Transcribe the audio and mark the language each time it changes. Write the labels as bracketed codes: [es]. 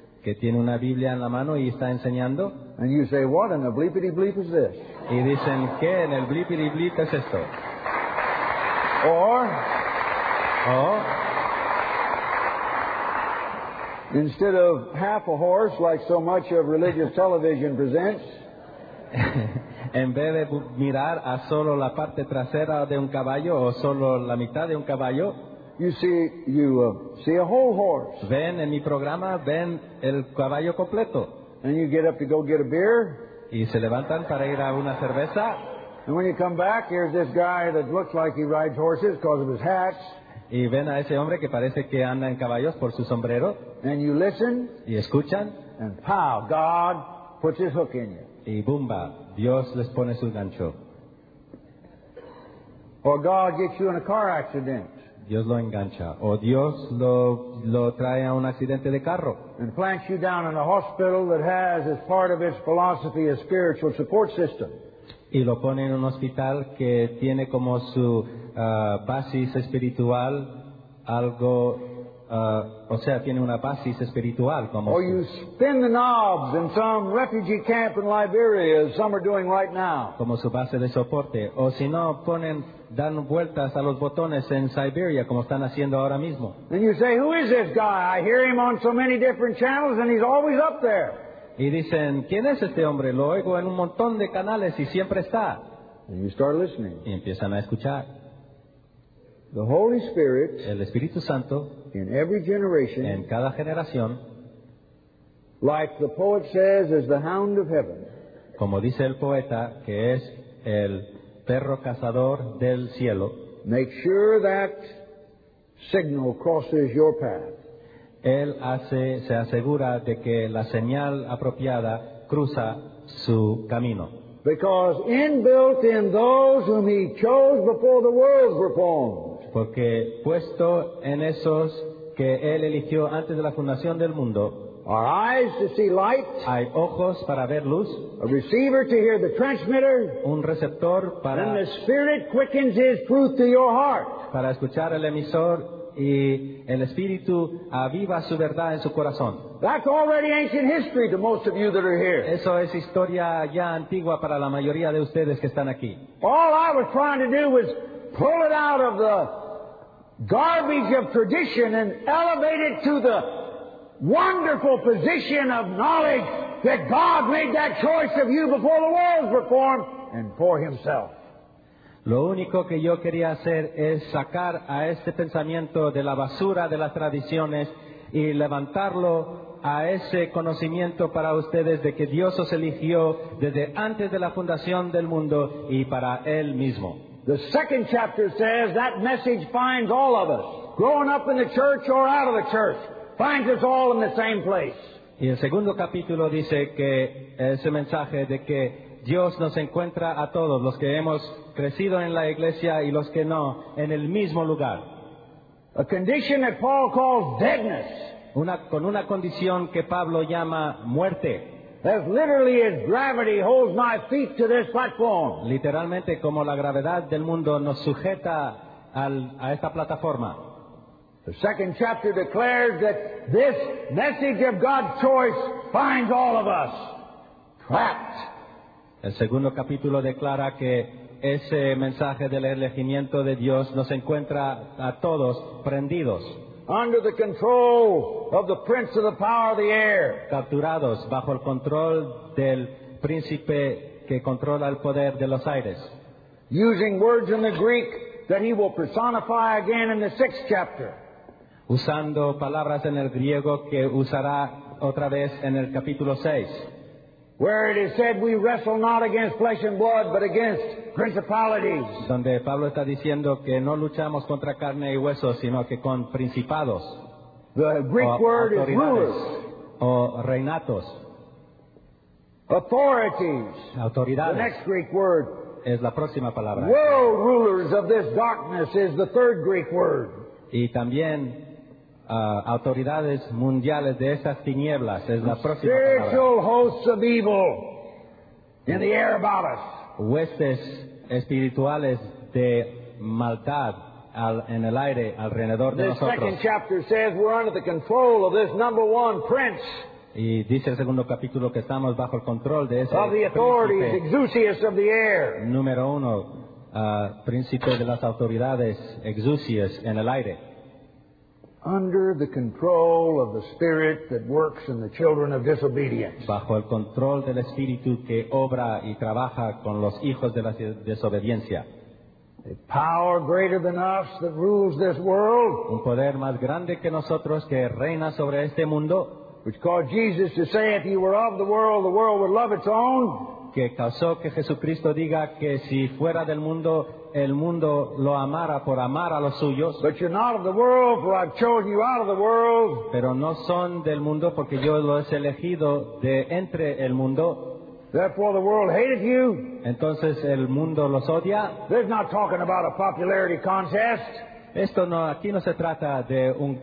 [es] Que tiene una Biblia en la mano y está enseñando. [en] And you say, what in the bleepity bleep is this? [es] Y dicen, ¿qué en el [en] bleepity bleep [es] es esto? [en] Or, oh. Instead of half a horse, like so much of religious television presents, [es] en vez de mirar a solo la parte trasera de un caballo o solo la mitad de un caballo, [en] you see a whole horse. [es] Ven en mi programa, ven el caballo completo. [en] And you get up to go get a beer. [es] Y se levantan para ir a una cerveza. [en] And when you come back, here's this guy that looks like he rides horses because of his hats. [es] Y ven a ese hombre que parece que anda en caballos por su sombrero. [en] And you listen, [es] y escuchan. [en] And pow, God puts his hook in you. [es] Y bumba, Dios les pone su gancho. [en] Or God gets you in a car accident. [es] Dios lo engancha. O Dios lo trae a un accidente de carro. [en] And plants you down in a hospital that has as part of its philosophy a spiritual support system. [es] Y lo pone en un hospital que tiene como su basis espiritual algo, o sea, tiene una basis espiritual como. [en] Or you spin the knobs in some refugee camp in Liberia, as some are doing right now. [es] Como su base de soporte. O si no, ponen, dan vueltas a los botones en Siberia, como están haciendo ahora mismo. [en] And you say, who is this guy? I hear him on so many different channels, and he's always up there. [es] Y dicen, ¿quién es este hombre? Lo oigo en un montón de canales y siempre está. [en] And you start listening. [es] Y empiezan a escuchar. [en] The Holy Spirit, [es] el Espíritu Santo, [en] in every generation, [es] en cada generación, [en] like the poet says, is the hound of heaven. [es] Como dice el poeta, que es el perro cazador del cielo. [en] Make sure that signal crosses your path. [es] Él se asegura de que la señal apropiada cruza su camino. [en] Because inbuilt in those whom he chose before the world were formed. [es] Porque puesto en esos que él eligió antes de la fundación del mundo, [en] our eyes to see light, [es] hay ojos para ver luz, [en] a receiver to hear the transmitter, [es] un receptor para, [en] and the Spirit quickens his truth to your heart, [es] para escuchar el emisor y el Espíritu aviva su verdad en su corazón. [en] That's already ancient history to most of you that are here. [es] Eso es historia ya antigua para la mayoría de ustedes que están aquí. [en] All I was trying to do was pull it out of the garbage of tradition and elevate it to the wonderful position of knowledge that God made that choice of you before the world was formed and for himself. [es] Lo único que yo quería hacer es sacar a este pensamiento de la basura de las tradiciones y levantarlo a ese conocimiento para ustedes de que Dios os eligió desde antes de la fundación del mundo y para Él mismo. [en] The second chapter says that message finds all of us, growing up in the church or out of the church, finds us all in the same place. [es] Y el segundo capítulo dice que ese mensaje de que Dios nos encuentra a todos, los que hemos crecido en la iglesia y los que no, en el mismo lugar. [en] A condition that Paul calls deadness. [es] Con una condición que Pablo llama muerte. [en] As literally as gravity holds my feet to this platform. [es] Literalmente como la gravedad del mundo nos sujeta a esta plataforma. [en] The second chapter declares that this message of God's choice finds all of us trapped. [es] El segundo capítulo declara que ese mensaje del elegimiento de Dios nos encuentra a todos prendidos. [en] Under the control of the prince of the power of the air. [es] Capturados bajo el control del príncipe que controla el poder de los aires. [en] Using words in the Greek that he will personify again in the sixth chapter. [es] Usando palabras en el griego que usará otra vez en el capítulo 6. [en] Where it is said we wrestle not against flesh and blood, but against principalities. [es] Donde Pablo está diciendo que no luchamos contra carne y hueso, sino que con principados. [en] The Greek word is rulers. [es] O reinatos. [en] Authorities. [es] Autoridades. [en] The next Greek word. [es] Es la próxima palabra. [en] World rulers of this darkness is the third Greek word. [es] Y también autoridades mundiales de estas tinieblas es la próxima palabra. [en] Spiritual hosts of evil in the air about us. [es] Huestes espirituales de maldad en el aire alrededor de nosotros. [en] The second chapter says we're under the control of this number one prince. [es] Y dice el segundo capítulo que estamos bajo el control de ese [en] of the authorities, exousias of the air. [es] Número uno, príncipe de las autoridades, exousias en el aire. [en] Under the control of the spirit that works in the children of disobedience. [es] Bajo el control del espíritu que obra y trabaja con los hijos de la desobediencia. [en] A power greater than us that rules this world. [es] Un poder más grande que nosotros que reina sobre este mundo. [en] Which caused Jesus to say, if you were of the world would love its own. [es] Que causó que Jesucristo diga que si fuera del mundo, el mundo lo amara por amar a los suyos. [en] But you're not of the world, for I've chosen you out of the world. [es] Pero no son del mundo porque yo los he elegido de entre el mundo. [en] Therefore, the world hated you. [es] Entonces el mundo los odia. [en] They're not talking about a popularity contest. [es] Esto no, aquí no se trata de